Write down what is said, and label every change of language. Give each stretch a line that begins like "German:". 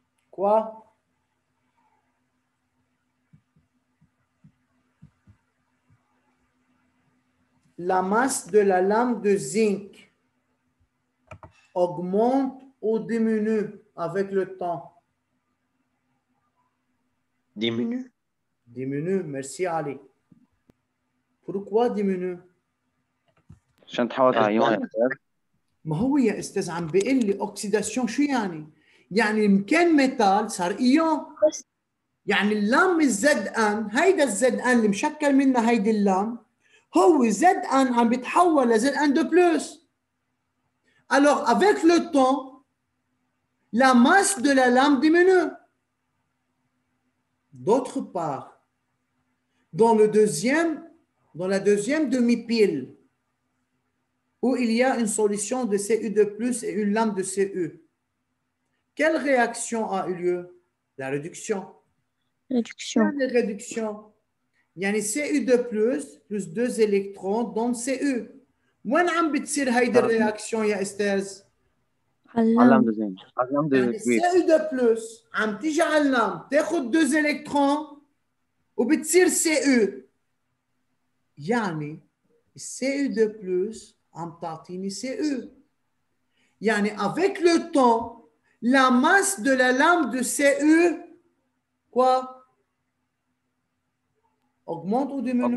French: كوا؟ La masse de la lame de zinc augmente ou diminue avec le temps? Diminue. Diminue, merci Ali. Pourquoi diminue? Je ne sais pas. Mais oui, c'est un peu plus de l'oxydation. Il y a un métal, ça a ion.
Arabic: يعني اللام الزد ان، هيدا الزد ان اللي مشكل منه هيدي اللام هو زد ان عم بيتحول لزد ان دو بلس.
French: alors avec le temps la masse de la lame diminue. d'autre part dans le deuxième dans la deuxième demi-pile où il y a une solution de Cu de plus et une lame de Cu, quelle réaction a eu lieu? La réduction. Réduction. Une réduction. يعني Cu de plus plus 2 électrons donc Cu.
Arabic: وين عم بتصير هيدي الرياكسيون يا استاذ؟ على اللام دو زين. على اللام دو زين. يعني
French: Cu de plus
Arabic: عم تيجي على اللام تاخذ
French: 2 électrons
Arabic: وبتصير Cu.
French: يعني Cu de plus
Arabic: عم تعطيني
French: Cu. يعني avec le temps la masse de la lame de Cu quoi؟ Augmente ou diminue?